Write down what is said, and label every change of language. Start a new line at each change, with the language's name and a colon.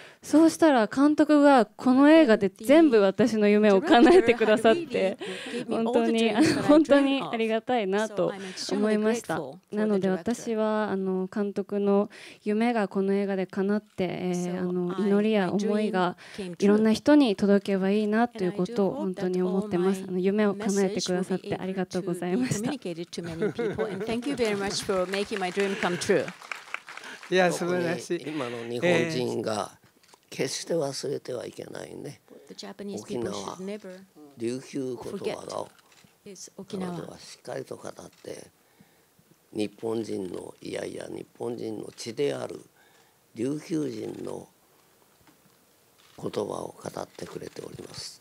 Japanese: そうしたら監督がこの映画で全部私の夢を叶えてくださって、本当にありがたいなと思いました。なので私は監督の夢がこの映画で叶って、祈りや思いがいろんな人に届けばいいなということを本当に思ってます。夢を叶えてくださってありがとうございました。
English: Thank you very much for making my dream come true.
Japanese: いや、素晴らしい。今の日本人が決して忘れてはいけないね。沖縄、琉球言葉が沖縄はしっかりと語って、日本人の、いやいや日本人の血である琉球人の言葉を語ってくれております。